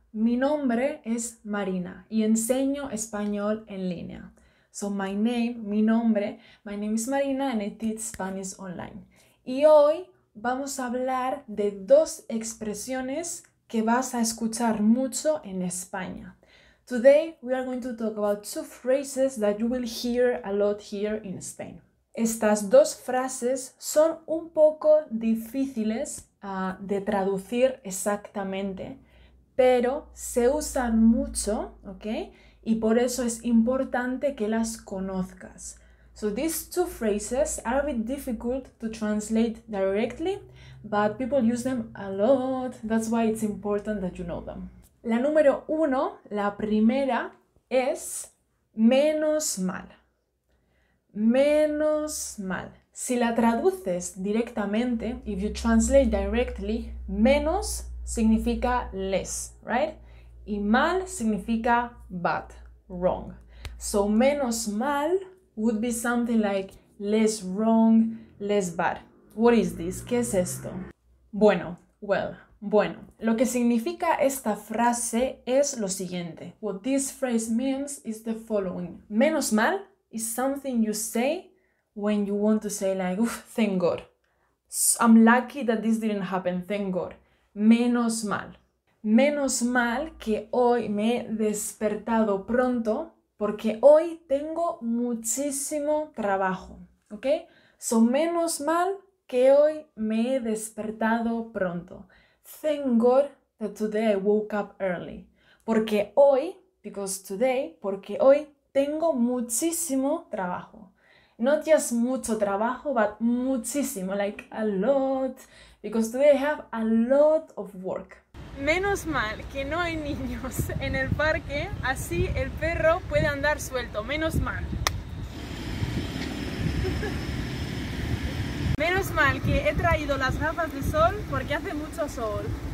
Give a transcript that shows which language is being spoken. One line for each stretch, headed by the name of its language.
Spanish: Mi nombre es Marina y enseño español en línea.
English: So my name is Marina and I teach Spanish online.
Spanish: Y hoy vamos a hablar de dos expresiones que vas a escuchar mucho en España.
English: Today we are going to talk about two phrases that you will hear a lot here in Spain.
Spanish: Estas dos frases son un poco difíciles de traducir exactamente, pero se usan mucho, ¿ok? Y por eso es importante que las conozcas.
English: So these two phrases are a bit difficult to translate directly, but people use them a lot. That's why it's important that you know them.
Spanish: La número uno, la primera, es menos mal. Menos mal. Si la traduces directamente,
English: if you translate directly,
Spanish: menos significa less, right? Y mal significa
English: bad, wrong. So menos mal would be something like less wrong, less bad. What is this?
Spanish: ¿Qué es esto? Bueno,
English: well,
Spanish: bueno. Lo que significa esta frase es lo siguiente.
English: What this phrase means is the following. Menos mal. Is something you say when you want to say like, uff, thank God. I'm lucky that this didn't happen, thank God.
Spanish: Menos mal. Menos mal que hoy me he despertado pronto porque hoy tengo muchísimo trabajo, ¿ok? So, menos mal que hoy me he despertado pronto.
English: Thank God that today I woke up early.
Spanish: Porque hoy,
English: because today,
Spanish: porque hoy, tengo muchísimo trabajo.
English: Not just mucho trabajo, but muchísimo, like a lot. Because today I have a lot of work.
Spanish: Menos mal que no hay niños en el parque, así el perro puede andar suelto. Menos mal. Menos mal que he traído las gafas de sol porque hace mucho sol.